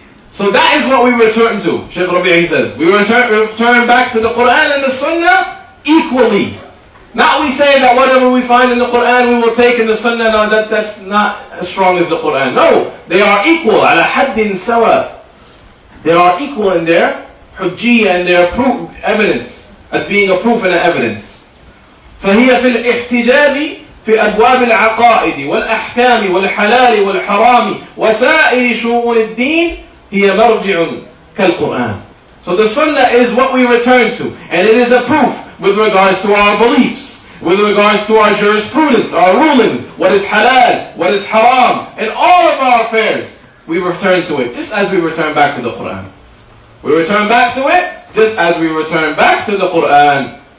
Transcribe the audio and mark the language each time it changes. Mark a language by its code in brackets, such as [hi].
[en] So that is what we return to, Shaykh Rabi'i says. We return back to the Qur'an and the Sunnah equally. Now we say that whatever we find in the Qur'an, we will take in the Sunnah, no, that's not as strong as the Qur'an. No, they are equal, [ar] عَلَى حَدٍ سَوَاءٍ. [en] They are equal in their حُجِّيَّ and their proof, evidence, as being a proof and an evidence. [ar] فَهِيَ فِي الْإِحْتِجَاجِ في أبواب العقائد والأحكام والحلال والحرام وسائر شؤون الدين هي مرجع كالقرآن. [en] So the Sunnah is what we return to, and it is a proof with regards to our beliefs, with regards to our jurisprudence, our rulings, what is halal, what is haram, and all of our affairs, we return to it just as we return back to the Qur'an. We return back to it just as we return back to the Qur'an.